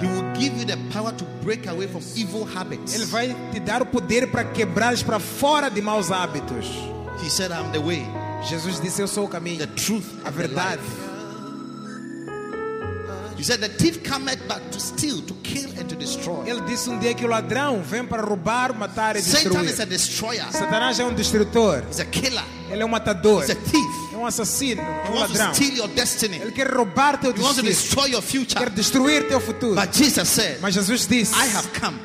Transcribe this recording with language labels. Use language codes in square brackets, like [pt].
[en] He will give you the power to break away from evil habits. [pt] Ele vai te dar o poder para quebrar para fora de maus hábitos. [en] He said, "I'm the way." [pt] Jesus disse, eu sou o caminho. [en] The truth, [pt] a verdade. [en] He said, "The thief cometh but to steal, to kill, and to destroy." [pt] Ele disse um dia que o ladrão vem para roubar, matar e destruir. [en] Satan is a destroyer. [pt] Satanás é um destrutor. [en] He's a killer. [pt] Ele é um matador. [en] He's a thief. [pt] É um assassino. [en] He [pt] um ladrão. [en] Wants to steal your destiny. [pt] Ele quer roubar teu destino. [en] He wants to destroy your future. [pt] Quer destruir teu futuro. [en] But Jesus said, [pt] mas Jesus disse, [en] "I have come."